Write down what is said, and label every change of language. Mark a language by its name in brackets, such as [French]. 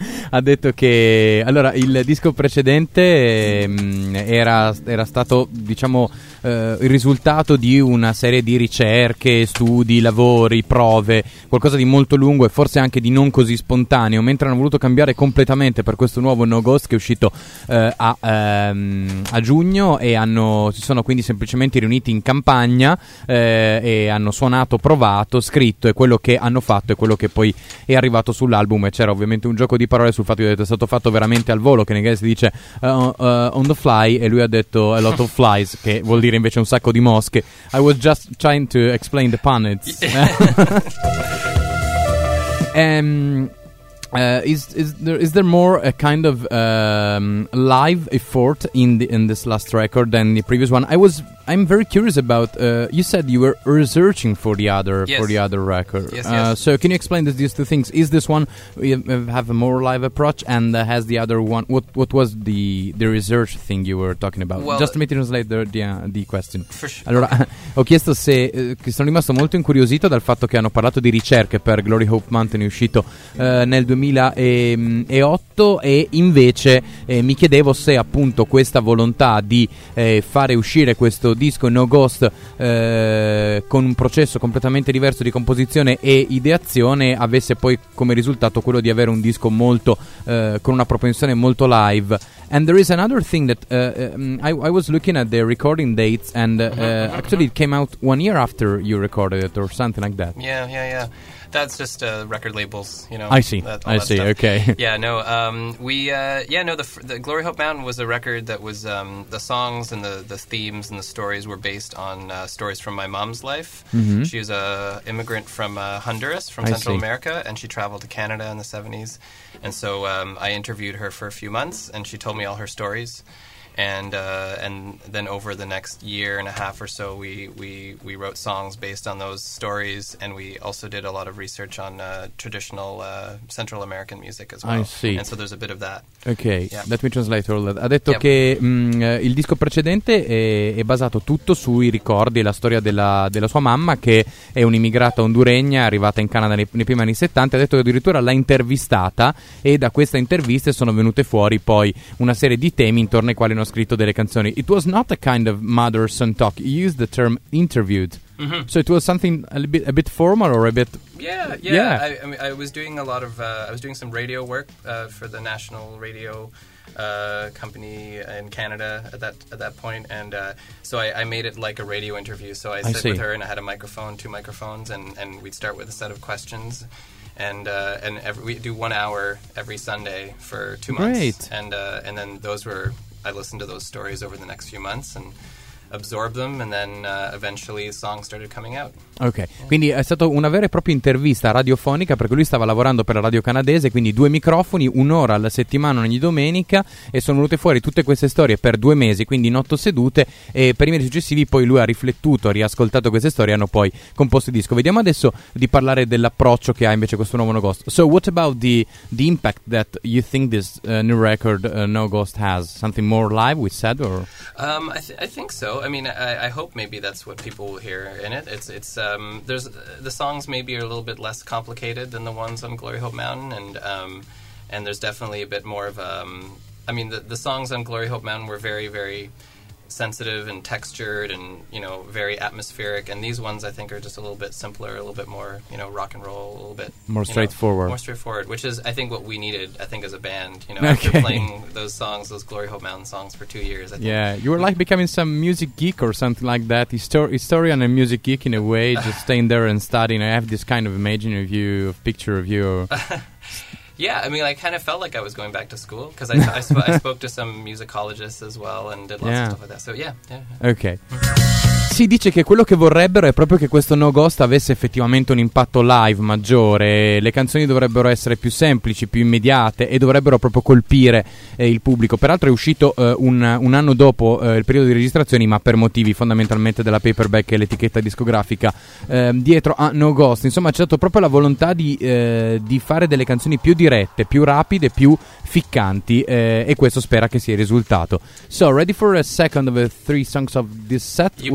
[Italian] Ha detto che allora il disco precedente era stato, diciamo, il risultato di una serie di ricerche, studi, lavori, prove, qualcosa di molto lungo e forse anche di non così spontaneo, mentre hanno voluto cambiare completamente per questo nuovo No Ghost che è uscito a giugno, e si sono quindi semplicemente riuniti in campagna e hanno suonato, provato, scritto, e quello che hanno fatto è quello che poi è arrivato sull'album. E c'era ovviamente un gioco di parole sul fatto che è stato fatto veramente al volo, che in inglese si dice [English] on the fly, [Italian] e lui ha detto [English] a lot of flies, [Italian] che vuol dire invece un sacco di mosche. [English] I was just trying to explain the pun. is there more a kind of live effort in this last record than the previous one? I'm very curious about you said you were researching for the other. Yes. For the other record. Yes. So can you explain these two things? Is this one have a more live approach, and has the other one, what was the research thing you were talking about? Well, just to translate the question. For sure. [Italian] Allora, ho chiesto se che sono rimasto molto incuriosito dal fatto che hanno parlato di ricerche per Glory Hope Mountain, uscito nel 2008, e invece mi chiedevo se appunto questa volontà di fare uscire questo disco No Ghost con un processo completamente diverso di composizione e ideazione avesse poi come risultato quello di avere un disco molto con una propensione molto live. [English] And there is another thing that I was looking at the recording dates, and actually it came out 1 year after you recorded it or something like that. Yeah. That's just record labels, you know. I see. Stuff. Okay. Yeah. No. The Glory Hope Mountain was a record that was the songs and the themes and the stories were based on stories from my mom's life. Mm-hmm. She was a immigrant from Honduras, from Central America, and she traveled to Canada in the 70s. And so I interviewed her for a few months, and she told me all her stories. And then over the next year and a half or so, we wrote songs based on those stories, and we also did a lot of research on traditional Central American music as well. I see. And so there's a bit of that. Okay, yeah. Let me translate all that. [Italian] Ha detto che il disco precedente è basato tutto sui ricordi e la storia della sua mamma, che è un'immigrata honduregna arrivata in Canada nei primi anni 70. Ha detto che addirittura l'ha intervistata, e da questa intervista sono venute fuori poi una serie di temi intorno ai quali ho scritto delle canzoni. [English] It was not a kind of mother-son talk. You used the term interviewed. Mm-hmm. So it was something a bit formal or a bit... Yeah. I was doing a lot of... I was doing some radio work for the national radio company in Canada at that point. And so I made it like a radio interview. So I sit with her, and I had a microphone, two microphones, and we'd start with a set of questions. And we do 1 hour every Sunday for 2 months. Great. And then those were... I listened to those stories over the next few months and absorb them, and then eventually the song started coming out. Okay, yeah. [Italian] Quindi è stata una vera e propria intervista radiofonica, perché lui stava lavorando per la radio canadese, quindi due microfoni, un'ora alla settimana ogni domenica, e sono venute fuori tutte queste storie per 2 mesi, quindi in 8 sedute, e per i mesi successivi poi lui ha riflettuto, ha riascoltato queste storie, hanno poi composto il disco. Vediamo adesso di parlare dell'approccio che ha invece questo nuovo No Ghost. [English] So what about the impact that you think this new record No Ghost has? Something more live, we said, or? I think so. I mean, I hope maybe that's what people will hear in it. There's the songs maybe are a little bit less complicated than the ones on Glory Hope Mountain, and there's definitely a bit more of I mean, the songs on Glory Hope Mountain were very, very sensitive and textured and, you know, very atmospheric. And these ones, I think, are just a little bit simpler, a little bit more, you know, rock and roll, a little bit... More straightforward. More straightforward, which is, I think, what we needed, I think, as a band. You know, okay. After playing those songs, those Glory Hope Mountain songs for 2 years. You were, like, becoming some music geek or something like that. Historian and music geek, in a way, just staying there and studying. I have this kind of imagine of you, of picture of you... Yeah, I mean, I kind of felt like I was going back to school because I spoke to some musicologists as well and did lots of stuff like that. So, yeah. Okay. [Italian] Si dice che quello che vorrebbero è proprio che questo No Ghost avesse effettivamente un impatto live maggiore. Le canzoni dovrebbero essere più semplici, più immediate e dovrebbero proprio colpire il pubblico. Peraltro è uscito un anno dopo il periodo di registrazioni, ma per motivi fondamentalmente della paperback e l'etichetta discografica dietro a No Ghost. Insomma, c'è stato proprio la volontà di fare delle canzoni più dirette, più rapide, più ficcanti e questo spera che sia il risultato. [English] So, ready for a second of the three songs of this set?